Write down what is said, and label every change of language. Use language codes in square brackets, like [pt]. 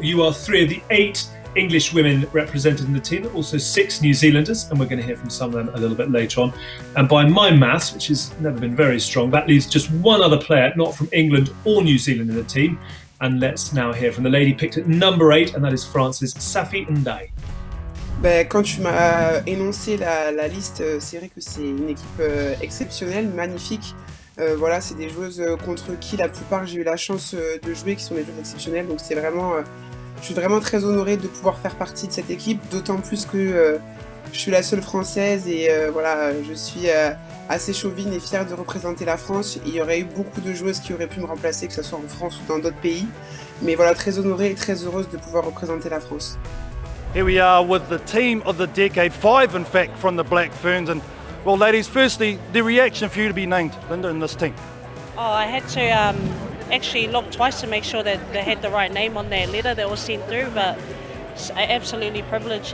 [en] You are 3 of the 8 English women represented in the team, also 6 New Zealanders, and we're going to hear from some of them a little bit later on. And by my maths, which has never been very strong, that leaves just one other player not from England or New Zealand in the team. And let's now hear from the lady picked at number 8, and that is France's Safi Ndai. [fr] Ben, quand tu m'as énoncé la liste, c'est vrai que c'est une équipe exceptionnelle, magnifique. Voilà, c'est des joueuses contre qui la plupart j'ai eu la chance de jouer, qui sont des joueuses exceptionnelles. Donc c'est vraiment, je suis vraiment très honorée de pouvoir faire partie de cette équipe, d'autant plus que je suis la seule française et voilà, je suis assez chauvine et fière de représenter la France. Il y aurait eu beaucoup de joueuses qui auraient pu me remplacer, que ce soit en France ou dans d'autres pays. Mais voilà, très honorée et très heureuse de pouvoir représenter la France. [en] Here we are with the team of the decade, 5 in fact, from the Black Ferns. And well, ladies, firstly, the reaction for you to be named, Linda, in this team. Oh, I had to actually look twice to make sure that they had the right name on their letter that was sent through, but it's absolutely privileged.